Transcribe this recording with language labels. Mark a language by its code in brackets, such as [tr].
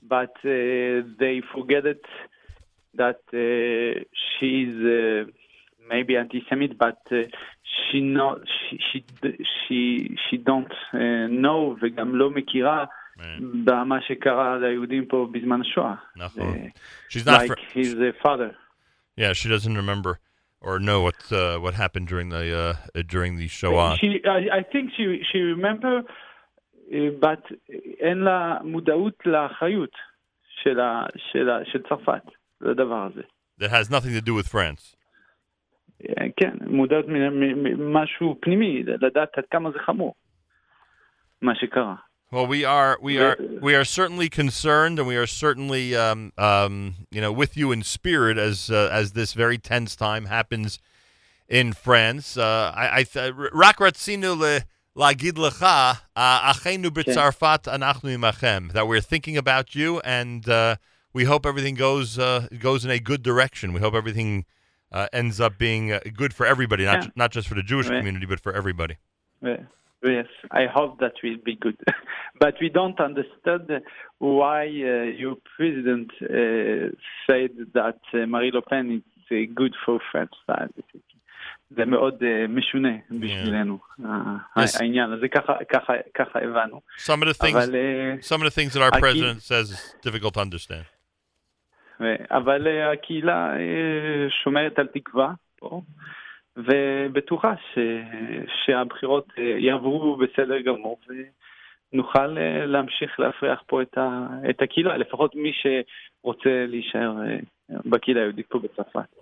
[en] But they forget it, that she's maybe anti-Semitic, but she don't know [he] וגם לא מכירה במה שקרה ליהודים פה בזמן השואה. נכון. [en] She's not like his father. Yeah, she doesn't remember or know what happened during the Shoah. I think she remember but [he] אין לה מודעות לאחריות של צרפת לדבר הזה. [en] That has nothing to do with France. [he] כן, מודעת משהו פנימי, לדעת עד כמה זה חמור, מה שקרה. [en] Well, we are certainly concerned, and we are certainly with you in spirit as this very tense time happens in France. [he] Rakratzinu lagid lecha achenu b'tzarfat anachnu imachem, [en] that we're thinking about you, and we hope everything goes in a good direction. We hope everything ends up being good for everybody, not just for the Jewish community, but for everybody. Yes, I hope that will be good. But we don't understand why your president said that Marie Le Pen is good for France. [he] זה מאוד משונה בשבילנו. העניין הזה, ככה הבנו. [en] Some of the things that our president says is difficult to understand. [he] אבל הקהילה שומרת על תקווה פה. ובטוחה שהבחירות יעברו בסדר גמור ונוכל להמשיך להפריח פה את הקהילה, לפחות מי שרוצה להישאר בקהילה היהודית פה בצרפת.